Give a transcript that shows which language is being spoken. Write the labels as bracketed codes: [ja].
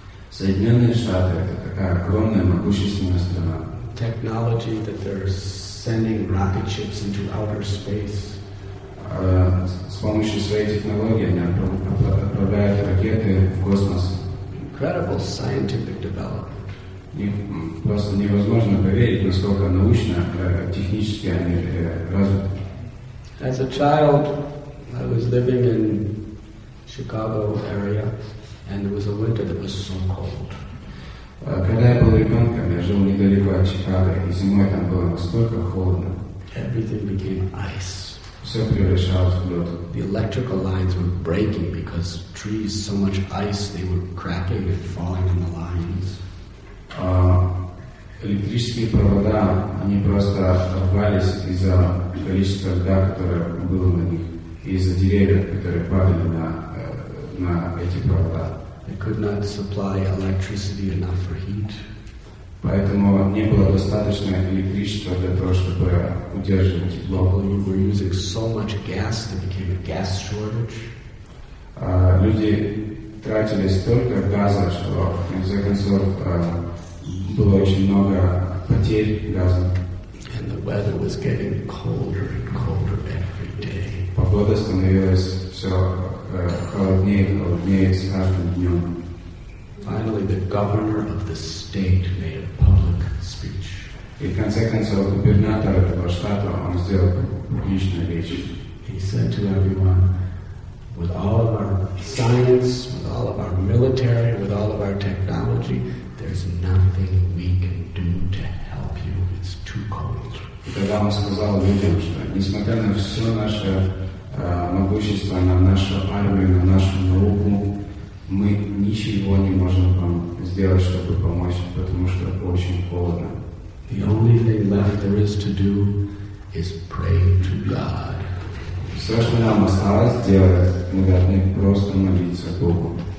[ru] Соединенные Штаты — это такая огромная, могущественная страна. [en] Technology that they're sending rocket ships into outer space. [ru] С помощью своей технологии они отправляют ракеты в космос. [en] Incredible scientific development. [ru] Просто невозможно поверить, насколько научно, технически они развиты. [en] As a child, I was living in Chicago area, and it was a winter that was so cold. [ru] Когда я был ребенком, я жил недалеко от Чикаго, и зимой там было настолько холодно. [en] Everything became ice. [ru] Все превращалось в лед. [en] The electrical lines were breaking because trees, so much ice, they were cracking and falling on the lines. [ru] Электрические провода, они просто рвались из-за количества льда, которое было на них, и из-за деревьев, которые падали на эти провода. [en] They could not supply electricity enough for heat. [ru] Поэтому не было достаточно электричества для того, чтобы удерживать тепло. [en] We were using so much gas that became a gas shortage. [ru] Люди тратили столько газа, что в конце концов было очень много потерь газа. [en] And the weather was getting colder and colder every day. [ru] Погода становилась все холоднее и холоднее с каждым днем. [en] Finally, the governor of the state made a public speech. [ru] И в конце концов, губернатор этого штата, он сделал публичную речь. [en] He said to everyone, with all of our science, with all of our military, with all of our technology, there's nothing we can do to help you. It's too cold. [ru] И тогда он сказал людям, что несмотря на все наше могущество, на нашу армию, на нашу науку, мы ничего не можем вам сделать, чтобы помочь, потому что очень холодно. [en] The only thing left there is to do is pray to God. [ru] Все, что нам осталось делать, мы должны просто молиться Богу.